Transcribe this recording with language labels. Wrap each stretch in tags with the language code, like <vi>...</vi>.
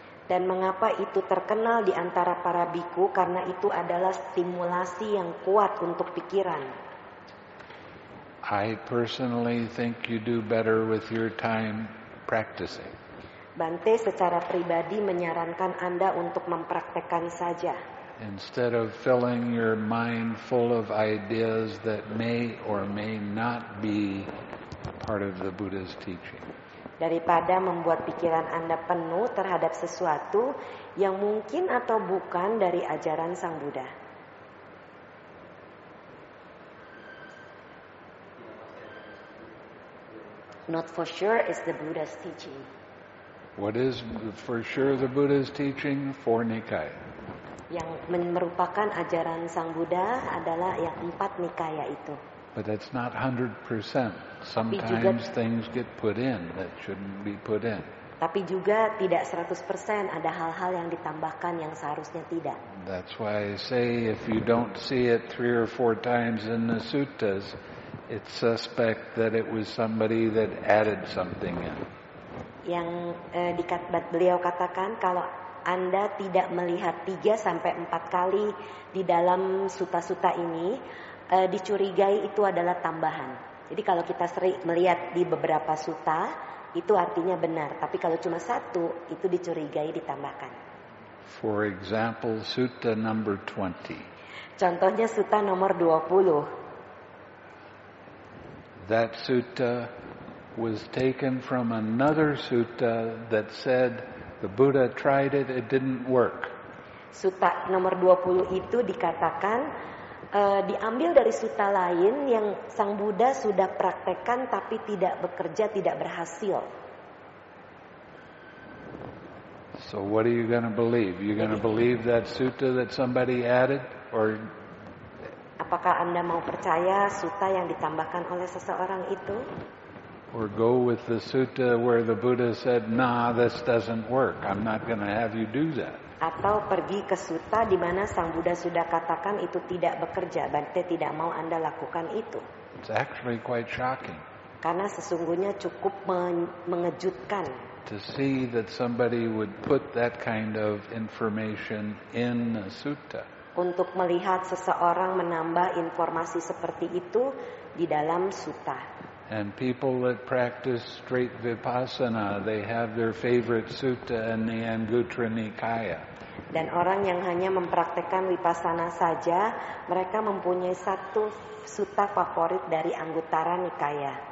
<id>Dan mengapa itu terkenal di antara para bhikkhu? Karena itu adalah stimulasi yang kuat untuk pikiran.</id> <en>I personally think you do better with your time practicing.</en> <id>Bante secara pribadi menyarankan Anda untuk mempraktekkan saja.</id> <en>Instead of filling your mind full of ideas that may or may not be part of the Buddha's teaching.</en> <id>Daripada membuat pikiran Anda penuh terhadap sesuatu yang mungkin atau bukan dari ajaran Sang Buddha.</id> <en>Not for sure is the Buddha's teaching. What is for sure the Buddha's teaching? Four Nikaya.</en> <id>Yang merupakan ajaran Sang Buddha adalah yang empat nikaya itu.</id> <en>But that's not 100%. Sometimes things get put in that shouldn't be put in.</en> <id>Tapi juga tidak 100%, ada hal-hal yang ditambahkan yang seharusnya tidak.</id> <en>That's why I say if you don't see it three or four times in the suttas, it's suspect that it was somebody that added something in.</en> <id>Yang dikatakan beliau katakan kalau Anda tidak melihat 3-4 kali di dalam suta-suta ini, dicurigai itu adalah tambahan. Jadi kalau kita sering melihat di beberapa suta, itu artinya benar. Tapi kalau cuma satu, itu dicurigai ditambahkan.</id> <en>For example, sutta number 20.</en> <id>Contohnya sutta nomor 20.</id> <en>That sutta was taken from another sutta that said the Buddha tried it, it didn't work.</en> <id>Sutta nomor 20 itu dikatakan diambil dari sutta lain yang Sang Buddha sudah praktekkan tapi tidak bekerja, tidak berhasil.</id> <en>So what are you going to believe? You're going to believe that sutta that somebody added, or</en> <id>apakah Anda mau percaya sutta yang ditambahkan oleh seseorang itu?</id> <en>Or go with the sutta where the Buddha said, "Nah, this doesn't work. I'm not going to have you do that."</en> <id>Atau pergi ke sutta di mana Sang Buddha sudah katakan itu tidak bekerja, berarti tidak mau Anda lakukan itu.</id> <en>It's actually quite shocking.</en> <id>Karena sesungguhnya cukup mengejutkan.</id> <en>To see that somebody would put that kind of information in a sutta.</en> <id>Untuk melihat seseorang menambah informasi seperti itu di dalam sutta.</id> <en>And people that practice straight vipassana, they have their favorite sutta in the Anguttara Nikaya.</en> <id>Dan orang yang hanya mempraktikkan vipassana saja, mereka mempunyai satu sutta favorit dari Anguttara Nikaya.</id>